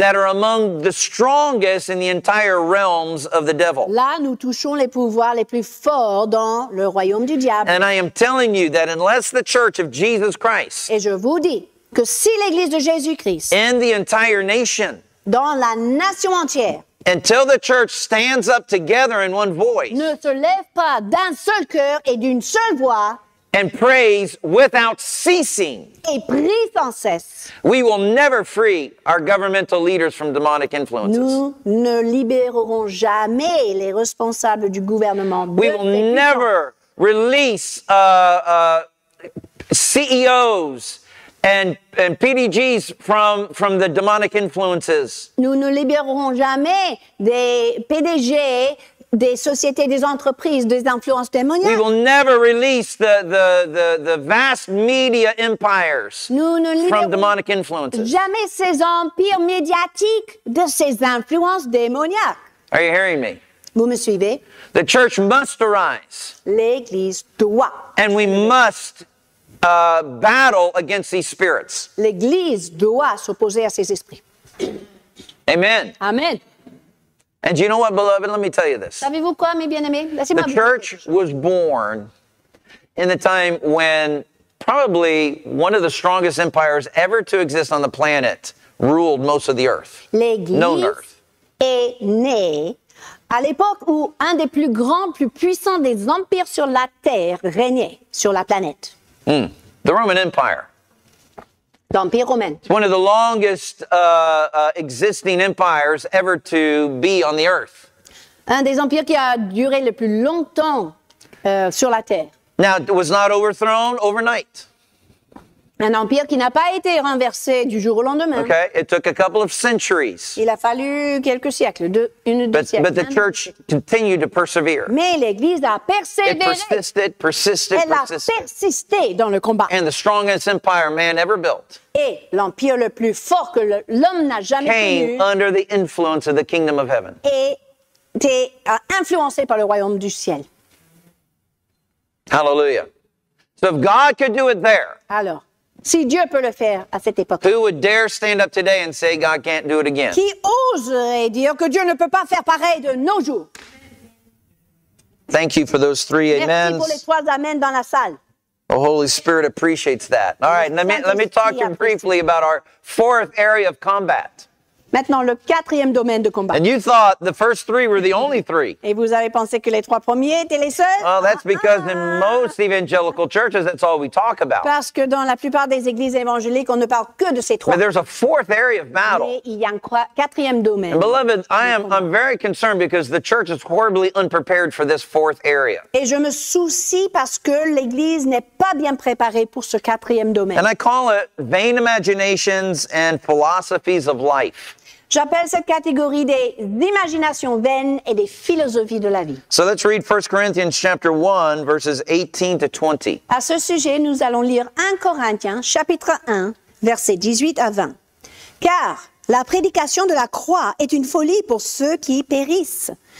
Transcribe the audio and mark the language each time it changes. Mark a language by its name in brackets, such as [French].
[English] that are among the strongest in the entire realms of the devil. [French] Là, nous touchons les pouvoirs les plus forts dans le royaume du diable. [English] And I am telling you that unless the church of Jesus Christ, [French] et je vous dis que si l'église de Jésus-Christ, [English] and the entire nation, [French] dans la nation entière, [English] until the church stands up together in one voice, [French] ne se lève pas d'un seul cœur et d'une seule voix, [English] and praise without ceasing. [French] Et prie sans cesse. [English] We will never free our governmental leaders from demonic influences. [French] Nous ne libérerons jamais les responsables du gouvernement. [English] We will never release CEOs and PDGs from the demonic influences. [French] Nous ne libérerons jamais des PDG des sociétés, des entreprises, des influences démoniaques. [English] We will never release the vast media empires from demonic influences. [French] Jamais ces empires médiatiques de ces influences démoniaques. [English] Are you hearing me? [French] Vous me suivez? [English] The church must arise. [French] L'église doit. [English] And we must battle against these spirits. [French] L'église doit s'opposer à ces esprits. [English] Amen. [French] Amen. [English] And you know what, beloved? Let me tell you this. [French] Savez-vous quoi, mes bien-aimés? Laissez-moi. [English] The church was born in the time when probably one of the strongest empires ever to exist on the planet ruled most of the earth. [French] L'Église [English] known earth. [French] Est née à l'époque où un des plus grands, plus puissants des empires sur la terre régnait sur la planète. [English] Mm. The Roman Empire. [French] L'Empire romain. [English] It's one of the longest existing empires ever to be on the earth. [French] Un des empires qui a duré le plus longtemps sur la terre. [English] Now, it was not overthrown overnight. [French] Un empire qui n'a pas été renversé du jour au lendemain. [English] Okay, it took a couple of centuries. [French] Il a fallu quelques siècles, deux siècles. [English] But the church continued to persevere. [French] Mais l'Église a persévéré. Elle a persisté dans le combat. [English] And the strongest empire man ever built. [French] Et l'empire le plus fort que l'homme n'a jamais [English] came [French] connu. [English] Under the influence of the kingdom of heaven. [French] Était influencé par le royaume du ciel. [English] Hallelujah. So if God could do it there. [French] Alors, si Dieu peut le faire à cette époque. [English] Who would dare stand up today and say God can't do it again? [French] Qui oserait dire que Dieu ne peut pas faire pareil de nos jours? [English] Thank you for those three amens. [French] Merci pour les trois amens dans la salle. [English] The Holy Spirit appreciates that. All right, let me talk to you briefly about our fourth area of combat. [French] Maintenant, le quatrième domaine de combat. [English] And you thought the first three were the only three. [French] Et vous avez pensé que les trois premiers étaient les seuls? [English] Well, that's because in most evangelical churches, that's all we talk about. [French] Parce que dans la plupart des églises évangéliques, on ne parle que de ces trois. [English] But there's a fourth area of battle. [French] Mais il y a un quatrième domaine. [English] And beloved, I'm very concerned because the church is horribly unprepared for this fourth area. [French] Et je me soucie parce que l'église n'est pas bien préparée pour ce quatrième domaine. [English] And I call it vain imaginations and philosophies of life. [French] J'appelle cette catégorie des imaginations vaines et des philosophies de la vie. [English] So let's read 1 Corinthians chapter 1, verses 18 to 20. [French] À ce sujet, nous allons lire 1 Corinthiens, chapitre 1, versets 18 à 20. Car la prédication de la croix est une folie pour ceux qui périssent.